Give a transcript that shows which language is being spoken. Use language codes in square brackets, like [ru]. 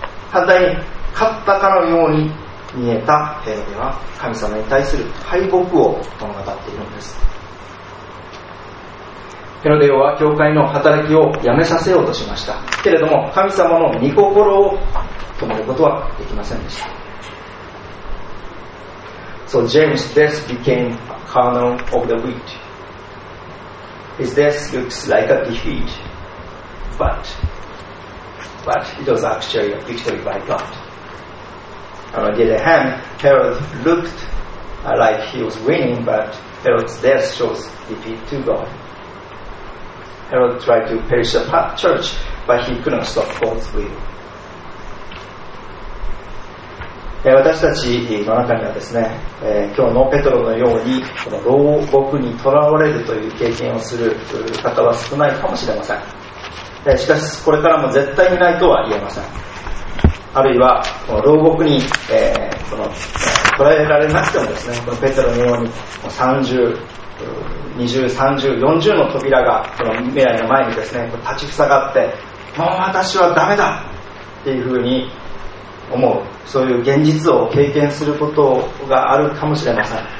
[ja] 反対に勝ったかのように見えたヘロデは神様に対する敗北を物語っているんです。ヘロデ王は教会の働きをやめさせようとしましたけれども、神様の御心を止めることはできませんでした。 [en] So James thus became a kernel of the wheat. His death looks like a defeat, but it was actually a victory by God. On the other hand, Herod looked like he was winning, but Herod's death shows defeat to God. Herod tried to perish the church, but he couldn't stop God's will. [ja] 私たちの中にはですね、今日のペトロのようにこの牢獄にとらわれるという経験をする方は少ないかもしれません。しかしこれからも絶対にないとは言えません。あるいはこの牢獄に、この捕らえられなくてもですね、このペトロのように30、20、30、40の扉がこの未来の前にですね、立ちふさがって、もう私はダメだっていうふうに思う、そういう現実を経験することがあるかもしれません。